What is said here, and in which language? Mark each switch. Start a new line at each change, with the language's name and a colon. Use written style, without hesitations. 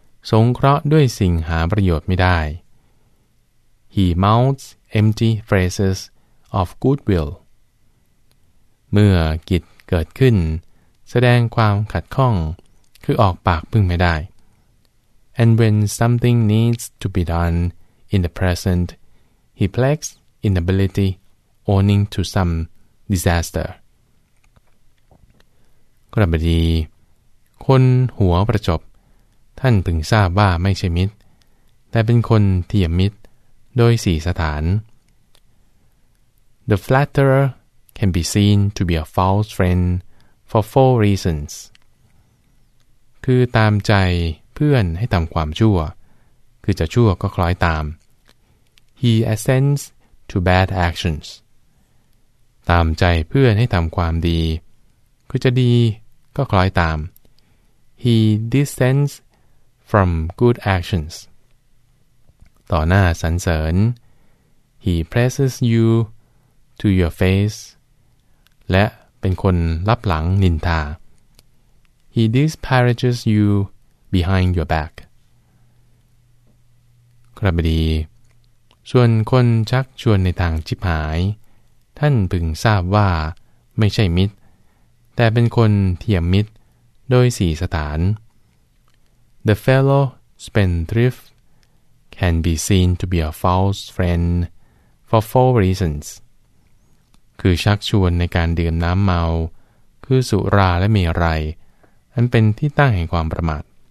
Thai: สงเคราะห์ด้วยสิ่งหาประโยชน์ไม่ได้
English: He mounts empty phrases of goodwill.
Thai: เมื่อกิจเกิดขึ้นแสดงความขัดข้องคือออกปากพึ่งไม่ได้
English: and when something needs to be doneIn the present, he plagues inability, owning to some disaster.
Thai: กระบดีคนหัวประจบท่านพึงทราบว่าไม่ใช่มิตรแต่เป็นคนเทียมมิตรโดยสี่สถาน
English: The flatterer can be seen to be a false friend for four reasons.
Thai: คือตามใจเพื่อนให้ทำความชั่วคือจะชั่วก็คล้อยตาม
English: He assents to bad actions.
Thai: ตามใจเพื่อนให้ทำความดีคือจะดีก็คล้อยตาม
English: He dissents from good actions.
Thai: ต่อหน้าสรรเสริญ
English: He praises you to your face.
Thai: และเป็นคนลับหลังนินทา
English: He disparages you behind your back.
Thai: กระบดีส่วนคนชักชวนในทางชิบหายท่านพึงทราบว่าไม่ใช่มิตร แต่เป็นคนเทียมมิตรโดยสี่สถาน
English: The fellow spendthrift can be seen to be a false friend for four reasons
Thai: คือชักชวนในการดื่มน้ำเมาคือสุราและเมรัยอันเป็นที่ตั้งแห่งความประมาท